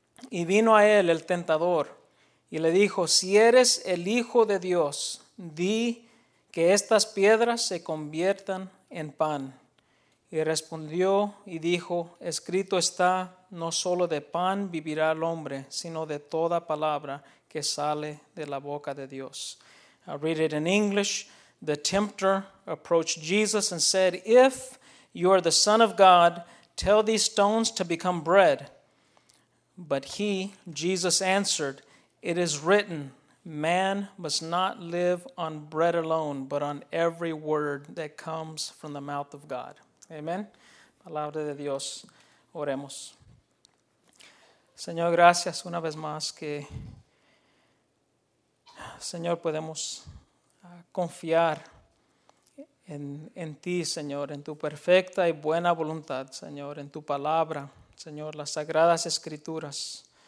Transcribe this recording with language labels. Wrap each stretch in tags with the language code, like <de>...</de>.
<es>Y vino a él el tentador y le dijo, si eres el Hijo de Dios, di que estas piedras se conviertan en pan. Y respondió y dijo, escrito está, no solo de pan vivirá el hombre, sino de toda palabra que sale de la boca de Dios.</es> <en>I'll read it in English. The tempter approached Jesus and said, if you are the Son of God, tell these stones to become bread. But he, Jesus, answered, it is written, man must not live on bread alone, but on every word that comes from the mouth of God.</en> <es>Amen. Palabra de Dios. Oremos. Señor, gracias una vez más que, Señor, podemos confiar en ti, Señor, en tu perfecta y buena voluntad, Señor, en tu palabra, Señor, las sagradas escrituras.</es>